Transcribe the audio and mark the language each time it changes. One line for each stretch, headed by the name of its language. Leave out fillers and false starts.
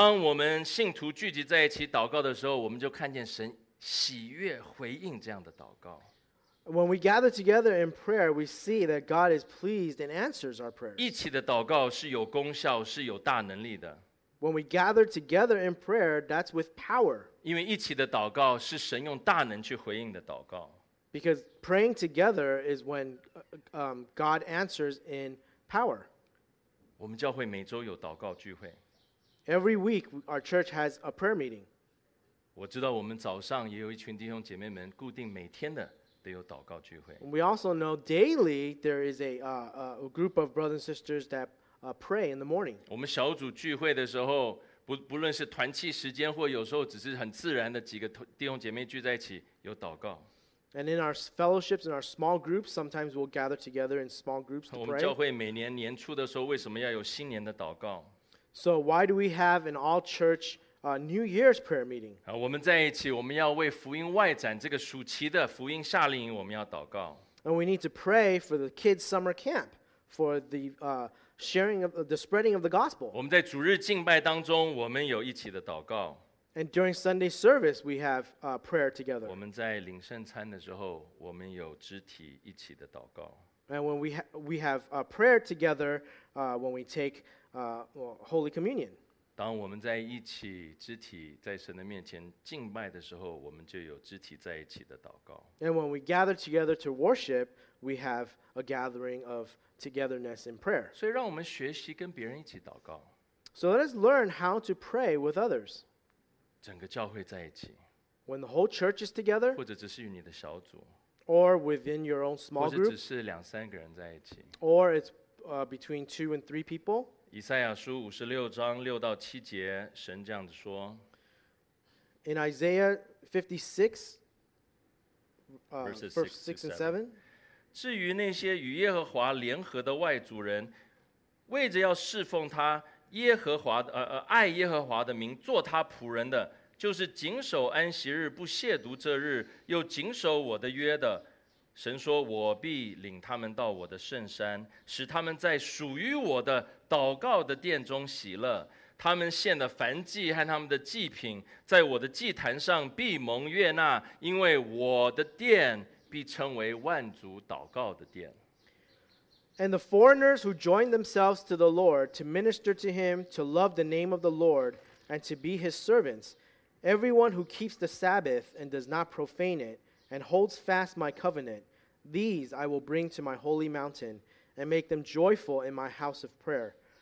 Chinese: 当我们信徒聚集在一起祷告的时候，我们就看见神喜悦回应这样的祷告。
English: When we gather together in prayer, we see that God is pleased and answers our prayers.
Chinese: 一起的祷告是有功效，是有大能力的。
English: When we gather together in prayer, that's with power.
Chinese: 因为一起的祷告是神用大能去回应的祷告。
English: Because praying together is when God answers in power.
Chinese: 我们教会每周有祷告聚会。
English: Every week, our church has a prayer meeting.
Chinese: 我知道我们早上也有一群弟兄姐妹们固定每天的有祷告聚会。
English: We also know daily there is a group of brothers and sisters that pray in the morning.
Chinese: 我们小组聚会的时候，不论是团契时间，或有时候只是很自然的几个弟兄姐妹聚在一起有祷告。
English: And in our fellowships and our small groups, sometimes we'll gather together in small groups to pray.
Chinese: 我们教会每年年初的时候，为什么要有新年的祷告
English: ？So why do we have an all church New Year's prayer meeting.
Chinese: 我们在一起，我们要为福音外展这个暑期的福音夏令营，我们要祷告。
English: And we need to pray for the kids' summer camp, for the sharing of the spreading of the gospel.
Chinese: 我们在主日敬拜当中，我们有一起的祷告。
English: And during Sunday service, we have prayer together.
Chinese: 我们在领圣餐的时候，我们有肢体一起的祷告。
English: And when we have prayer together, when we take Holy Communion.
Chinese: 当我们在一起肢体在神的面前敬拜的时候，我们就有肢体在一起的祷告。
English: And when we gather together to worship, we have a gathering of togetherness in prayer.
Chinese: 所以让我们学习跟别人一起祷告。
English: So let us learn how to pray with others.
Chinese: 整个教会在一起。
English: When the whole church is together.
Chinese: 或者只是与你的小组。
English: Or within your own small group.
Chinese: 或者只是两三个人在一起。
English: Or it's between two and three people.
Chinese: 以赛亚书五十六章六到七节，神这样子说。
English: In Isaiah 56, verses 6 and 7.
Chinese: 至于那些与耶和华联合的外族人，为着要侍奉他耶和华爱耶和华的名，做他仆人的，就是谨守安息日，不亵渎这日，又谨守我的约的。神说：“我必领他们到我的圣山，使他们在属于我的祷告的殿中喜乐。他们献的燔祭和他们的祭品，在我的祭坛上必蒙悦纳，因为我的殿必称为万族祷告的殿。”
English: And the foreigners who join themselves to the Lord to minister to him, to love the name of the Lord, and to be his servants, everyone who keeps the Sabbath and does not profane it. And holds fast my covenant, these I will bring to my holy mountain, and make them joyful in my house of prayer.